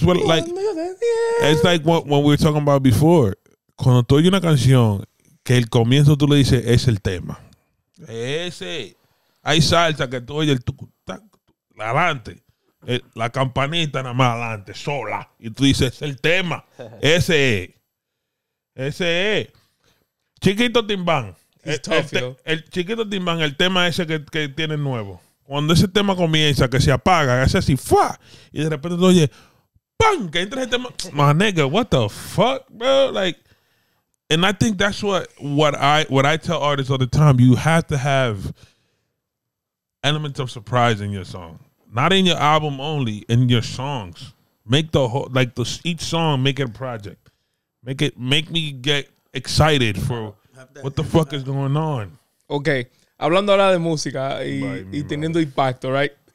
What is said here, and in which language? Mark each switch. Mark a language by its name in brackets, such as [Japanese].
[English] It's like what we were talking about before. [Spanish] Cuando tú oyes una canción, que el comienzo tú le dices es el tema. Ese hay salsa que tú oyes el tucu, tac, adelante la campanita nada más adelante sola y tú dices es el tema. Ese es Chiquito Timbán. El Chiquito Timbán, el tema ese que tiene nuevo, cuando ese tema comienza que se apaga, hace así ¡fua! Y de repente tú oyes ¡pam! Que entra ese tema. [English] My nigga, what the fuck, bro? Like, and I think that's what I tell artists all the time. You have to have elements of surprise in your song, not in your album only, in your songs. Make the whole, like, each song, make it a project. Make me get excited for what the fuck is going on. [Spanish] Okay, hablando ahora de música y teniendo impacto, right?